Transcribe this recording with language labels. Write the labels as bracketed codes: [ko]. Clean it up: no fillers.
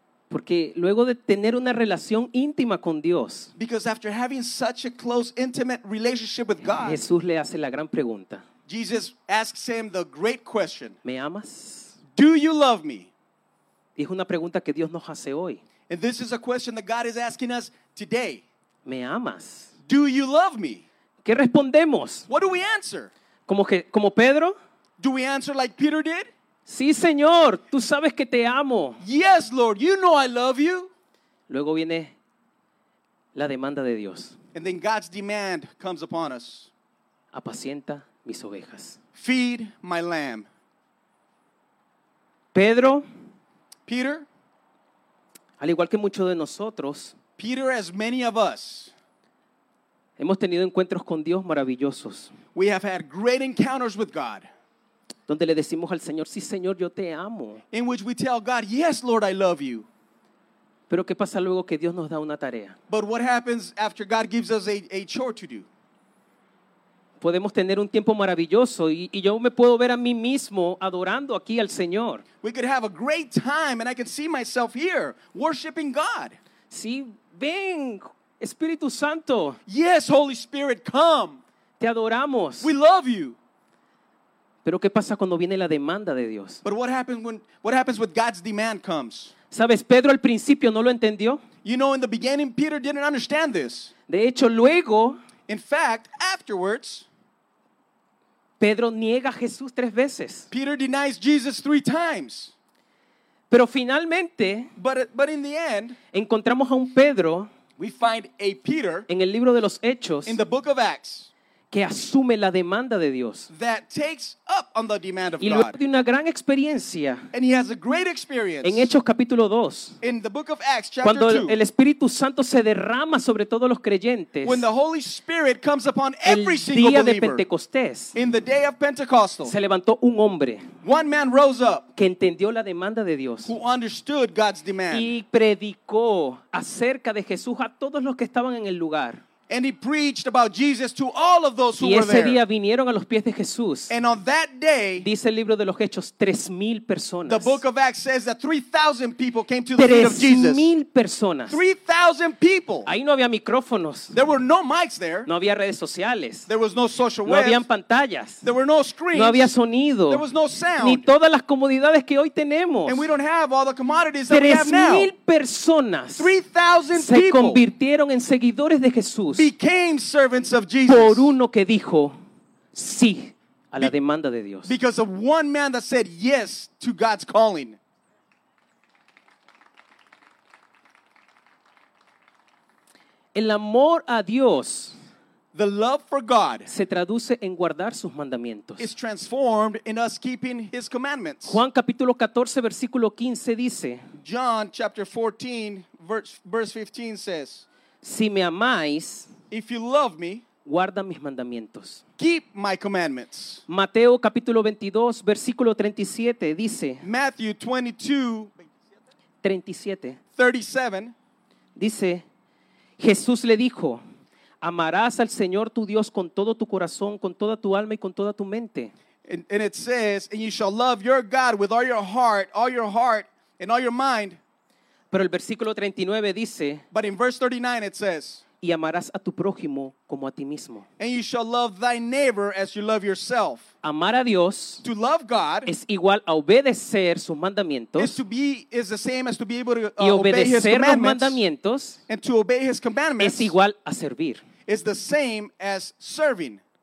[es] Porque luego de tener una relación íntima con Dios. [en] Because after having such a close, intimate relationship with God. [es] Jesús le hace la gran pregunta. [en] Jesus asks him the great question. [es] ¿Me amas? [en] Do you love me? [es] Es una pregunta que Dios nos hace hoy. [en] And this is a question that God is asking us today. [es] ¿Me amas? [en] Do you love me? [es] ¿Qué respondemos? [en] What do we answer? [es] ¿Como Pedro? [en] Do we answer like Peter did? [es] Sí, Señor, tú sabes que te amo. [en] Yes, Lord, you know I love you. [es] Luego viene la demanda de Dios. [en] And then God's demand comes upon us. [es] Apacienta mis ovejas. [en] Feed my lamb. [es] Pedro, [en] Peter, [es] al igual que muchos de nosotros, [en] Peter, as many of us, [es] hemos tenido encuentros con Dios maravillosos. [en] We have had great encounters with God. [es] Donde le decimos al Señor, sí, Señor, yo te amo. [en] In which we tell God, yes, Lord, I love you. [es] Pero ¿qué pasa luego que Dios nos da una tarea? [en] But what happens after God gives us a chore to do? [es] podemos tener un tiempo maravilloso y yo me puedo ver a mí mismo adorando aquí al Señor. [en] We could have a great time and I can see myself here worshiping God. [es] Sí, ven, Espíritu Santo. [en] Yes, Holy Spirit, come. [es] Te adoramos. [en] We love you. [es] Pero ¿qué pasa cuando viene la demanda de Dios? [en] But what happens when God's demand comes? [es] ¿Sabes? Pedro al principio no lo entendió. [en] You know, in the beginning, Peter didn't understand this. [es] De hecho, luego, [en] in fact, afterwards, [es] Pedro niega a Jesús tres veces. [en] Peter denies Jesus three times. [es] Pero finalmente, [en] but in the end, [es] encontramos a un Pedro, [en] we find a Peter, [es] en el libro de los Hechos, [en] in the book of Acts, [es] que asume la demanda de Dios. [en] That takes up on the demand of [es] y luego De una gran experiencia. [en] And he has a great experience. [es] En Hechos capítulo 2. [en] In the book of Acts chapter 2. [es] Cuando el Espíritu Santo se derrama sobre todos los creyentes. [en] When the Holy Spirit comes upon every single believer. [es] El día de Pentecostés. [en] In the day of Pentecostal. [es] Se levantó un hombre. [en] One man rose up. [es] Que entendió la demanda de Dios. [en] Who understood God's demand. [es] Y predicó acerca de Jesús a todos los que estaban en el lugar. [en] And he preached about Jesus to all of those who were there. [es] Y ese día vinieron a los pies de Jesús. [en] And on that day, [es] dice el libro de los Hechos, 3,000 personas. [en] The book of Acts says that 3,000 people came to the feet of Jesus. [es] 3,000 personas. [en] 3,000 people. [es] Ahí no había micrófonos. [en] There were no mics there. [es] No había redes sociales. [en] There was no social web. [es] No habían pantallas. [en] There were no screens. [es] No había sonido. [en] There was no sound. [es] Ni todas las comodidades que hoy tenemos. [en] And we don't have all the commodities that we have now. [es] 3,000 personas. [en] 3,000 people. [es] Se convirtieron en seguidores de Jesús. [en] Became servants of Jesus. [es] Por uno que dijo sí a la demanda de Dios. [en] Because of one man that said yes to God's calling. [es] El amor a Dios. [en] The love for God. [es] Se traduce en guardar sus mandamientos. [en] Is transformed in us keeping his commandments. [es] Juan capítulo 14 versículo 15 dice. [en] John chapter 14 verse 15 says. [es] Si me amáis, [en] if you love me, [es] guarda mis mandamientos. [en] Keep my commandments. [es] Mateo capítulo 22, versículo 37 dice. [en] Matthew 22:37. [es] Dice, Jesús le dijo, amarás al Señor tu Dios con todo tu corazón, con toda tu alma y con toda tu mente. [en] And it says, and you shall love your God with all your heart and all your mind. [es] Pero el versículo 39 dice, [en] but in verse 39 it says, [es] y amarás a tu prójimo como a ti mismo. [en] And you shall love thy neighbor as you love yourself. [es] Amar a Dios, [en] to love God, [es] es igual a obedecer sus mandamientos. [en] Is the same as to be able to [es] y obedecer [en] obey his [es] los mandamientos, [en] and to obey his commandments, [es] es igual a servir. [en] Is the same as serving.